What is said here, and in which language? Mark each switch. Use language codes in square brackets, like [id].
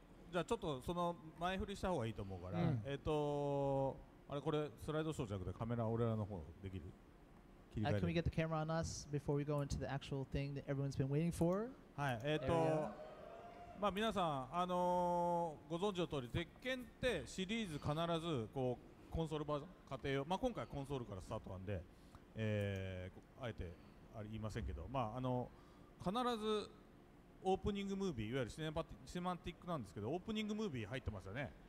[ja] じゃあちょっとその前振りした方がいいと思うから、あれこれスライドショーじゃなくてカメラ俺らの方できる切り替え [en] can we get the camera on us before we go into the actual thing that everyone's been waiting for? [ja] はい、まあ皆さん、ご存知の通り、鉄拳ってシリーズ必ずこうコンソールバージョン、家庭用、まあ今回コンソールからスタートなんで、あえてあれ言いませんけど、まあ必ずオープニングムービー、いわゆるシネマティックなんですけど、オープニングムービー入ってますよね。